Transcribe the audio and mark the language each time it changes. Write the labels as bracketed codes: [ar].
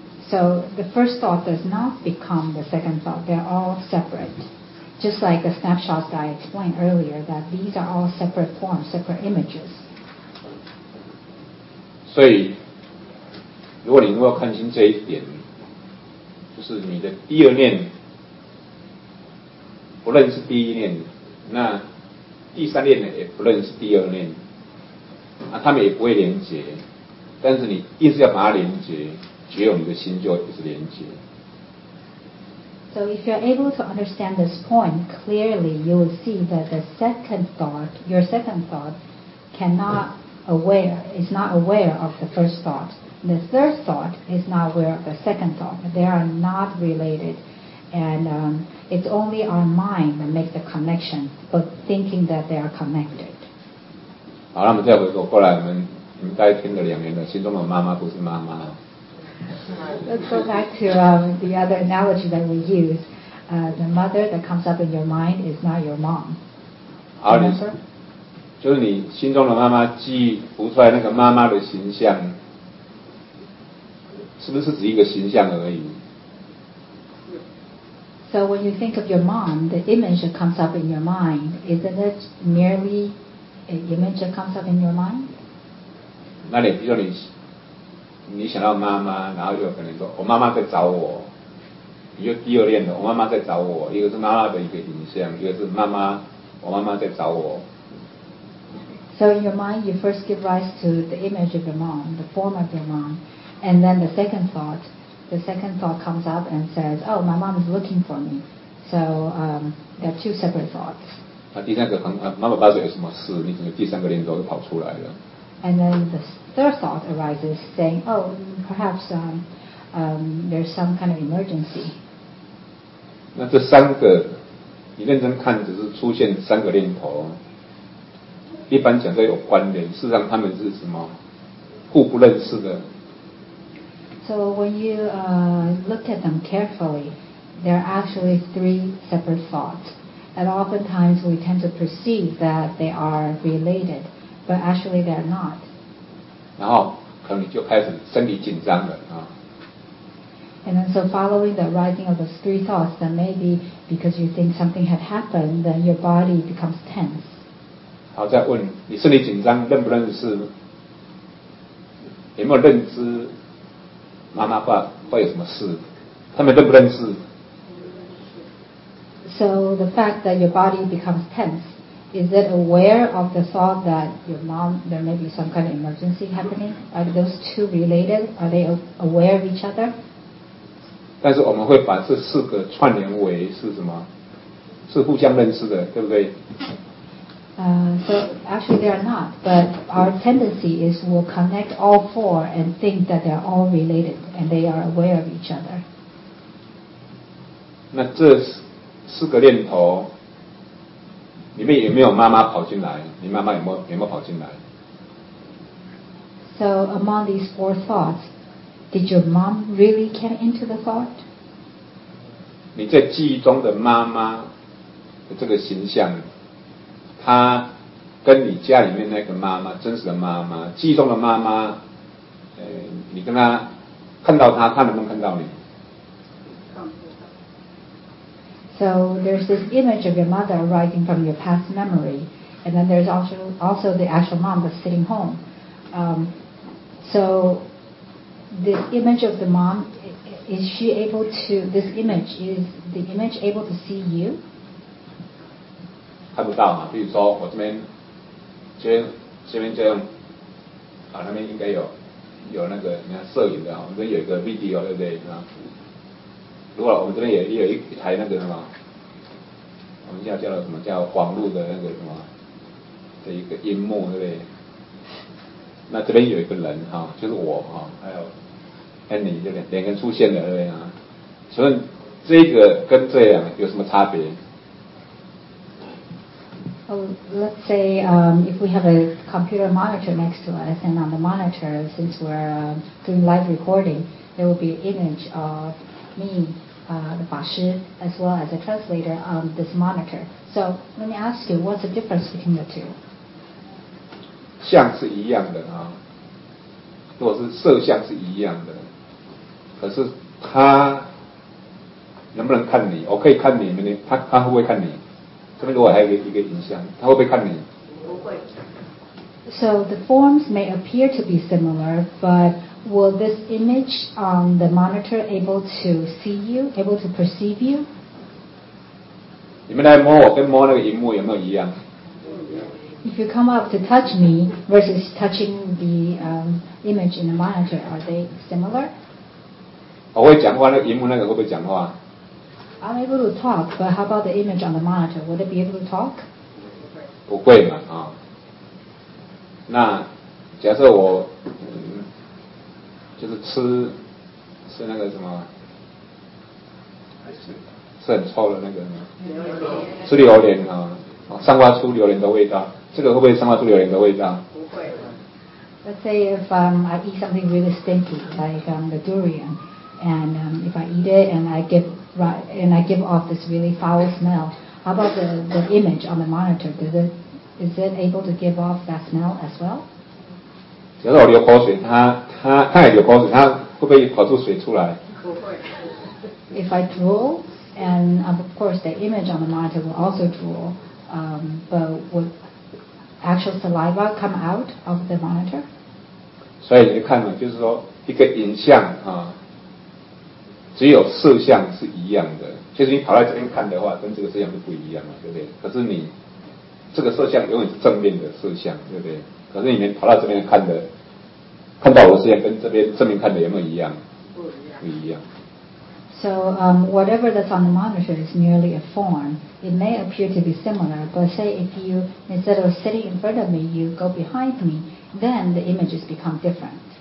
[en] So the first thought does not become the second thought. They're all separate. Just like the snapshots that I explained earlier, that these are all separate forms, separate images. [zh] 所以如果你能够看清这一点，就是你的第二念不认识第一念，那第三念也不认识第二念，那他们也不会连结，但是你一直要把它连结，只有你的心就一直连结。 [en] So if you're able to understand this point clearly, you will see that the second thought, your second thought, is not aware of the first thought. The third thought is not aware of the second thought. They are not related. And it's only our mind that makes the connection, but thinking that they are connected. [zh] 好，那么再回头过来，你们大概听了两年了，心中的妈妈不是妈妈。 [en] Let's go back to the other analogy that we use. The mother that comes up in your mind is not your mom. Remember? [zh] 就是你心中的妈妈记忆浮出来那个妈妈的形象，是不是只一个形象而已？ [en] So when you think of your mom, the image that comes up in your mind, isn't it merely an image that comes up in your mind? [zh] 那你比如你想到妈妈，然后就可能说我妈妈在找我，你就第二念的我妈妈在找我，一个是妈妈的一个形象，一个是妈妈，我妈妈在找我。 [en] So in your mind, you first give rise to the image of your mom, the form of your mom, and then the second thought comes up and says, "Oh, my mom is looking for me." So there are two separate thoughts. [zh] 那第三个，妈妈到底有什么事？你怎么第三个念头就跑出来了？ [en] And then the third thought arises, saying, "Oh, perhaps there's some kind of emergency." [zh] 那这三个，你认真看，只是出现三个念头。一般讲都有关联，事实上他们是什么互不认识的。 [en] So when you look at them carefully, there are actually three separate thoughts, and oftentimes we tend to perceive that they are related. But actually, they are not. [zh] 然后可能你就开始身体紧张了啊。 [en] And then, so following the rising of those three thoughts, then maybe because you think something had happened, then your body becomes tense. [zh] 好，再问你身体紧张，认不认识？有没有认知？妈妈会有什么事？他们认不认识 [en] ？So the fact that your body becomes tense. Is it aware of the thought that your mom, there may be some kind of emergency happening? Are those two related? Are they aware of each other? [zh] 但是我们会把这四个串联为是什么？是互相认识的，对不对？ [en] So actually they are not, but our tendency is we'll connect all four and think that they're all related and they are aware of each other. [zh] 那这四个念头里面有没有妈妈跑进来？你妈妈有没有跑进来 [en] ？So among these four thoughts, did your mom really get into the thought? [zh] 你在记忆中的妈妈的这个形象，她跟你家里面那个妈妈，真实的妈妈，记忆中的妈妈，你跟她看到她，她能不能看到你？ [en] So there's this image of your mother arising from your past memory, and then there's also the actual mom that's sitting home. So this image of the mom, is she able to, this image, is the image able to see you? [zh] 看不到嘛，比如说我这边，这边这样，啊，那边应该有那个你看摄影的，我们这有一个 video 对不对？啊。如果我们这边也有一台那个什么，我们叫什么叫网络的那个什么的一个荧幕，对不对？那这边有一个人哈，就是我哈，还有 Annie 就两个人出现了，对不对啊？请问这个跟这样有什么差别？ [en] Let's say if we have a computer monitor next to us, and on the monitor, since we're doing live recording, there will be an image of me. The 法师 as well as a translator on this monitor. So let me ask you, what's the difference between the two? [zh] 像是一样的啊，如果是摄像是一样的，可是他能不能看你？我可以看你，明天他会不会看你？这边如果还有一个影像，他会不会看你？不会。 [en] So the forms may appear to be similar, but will this image on the monitor able to see you, able to perceive you? [zh] 你们来摸我跟摸那个荧幕有没有一样？ [en] If you come up to touch me versus touching the image in the monitor, are they similar? [zh] 我会讲话，那荧幕那个会不会讲话？ [en] I'm able to talk, but how about the image on the monitor? Would it be able to talk? [zh] 不会嘛，啊。那假设我就是吃那个什么，是很臭的那个，吃榴莲啊，散发出榴莲的味道。这个会不会散发出榴莲的味道？不会。 [en] Let's say if I eat something really stinky, like the durian, and if I eat it and I give off this really foul smell, how about the image on the monitor? Is it able to give off that smell as well? [zh] 假如我流口水，它也流口水，它会不会跑出水出来？不会。 [en] If I drool, and of course the image on the monitor will also drool, but would actual saliva come out of the monitor? [zh] 所以你看嘛，就是说一个影像啊，只有色相是一样的。其实你跑来这边看的话，跟这个色相是不一样嘛，对不对？可是你这个色相永远是正面的色相，对不对？可是你们跑到这边看的，看到我的色相跟这边正面看的有没有一样？不一样。 [en] So whatever that's on the monitor is merely a form. It may appear to be similar, but say if you, instead of sitting in front of me, you go behind me, then the images become different.